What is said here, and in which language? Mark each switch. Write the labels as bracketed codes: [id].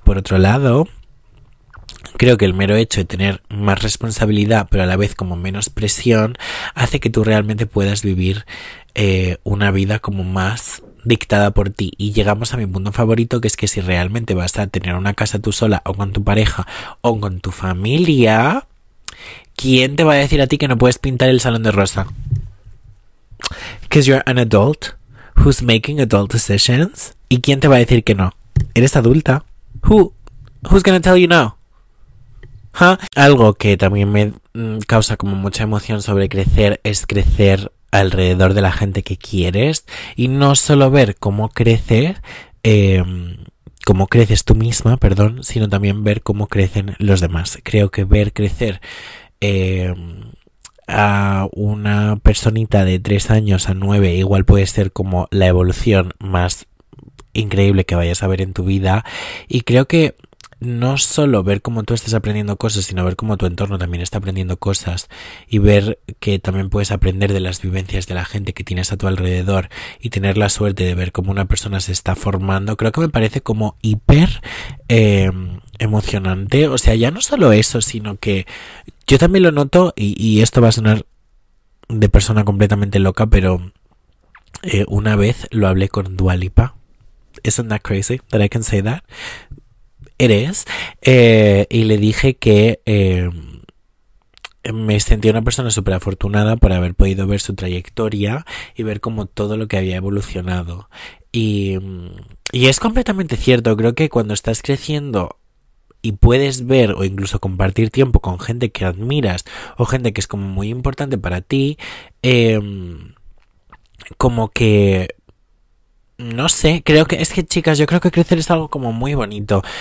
[es] Por otro lado, creo que el mero hecho de tener más responsabilidad, pero a la vez como menos presión, hace que tú realmente puedas vivir una vida como más dictada por ti. Y llegamos a mi punto favorito, que es que si realmente vas a tener una casa tú sola, o con tu pareja, o con tu familia, ¿quién te va a decir a ti que no puedes pintar el salón de rosa? [en] Because you're an adult who's making adult decisions. [es] ¿Y quién te va a decir que no? ¿Eres adulta? [en] Who's gonna tell you no? [es] ¿Huh? Algo que también me causa como mucha emoción sobre crecer es crecer alrededor de la gente que quieres. Y no solo ver cómo crecer, cómo creces tú misma, perdón, sino también ver cómo crecen los demás. Creo que ver crecer a una personita de 3 años a 9 igual puede ser como la evolución más increíble que vayas a ver en tu vida. Y creo que no solo ver cómo tú estás aprendiendo cosas, sino ver cómo tu entorno también está aprendiendo cosas, y ver que también puedes aprender de las vivencias de la gente que tienes a tu alrededor y tener la suerte de ver cómo una persona se está formando, creo que me parece como hiper emocionante. O sea, ya no solo eso, sino que yo también lo noto, y esto va a sonar de persona completamente loca, pero una vez lo hablé con Dua Lipa. [en] Isn't that crazy that I can say that? It is. [es] Y le dije que me sentía una persona súper afortunada por haber podido ver su trayectoria y ver cómo todo lo que había evolucionado. Y es completamente cierto. Creo que cuando estás creciendo y puedes ver o incluso compartir tiempo con gente que admiras o gente que es como muy importante para ti, como que, no sé, creo que, es que chicas, yo creo que crecer es algo como muy bonito.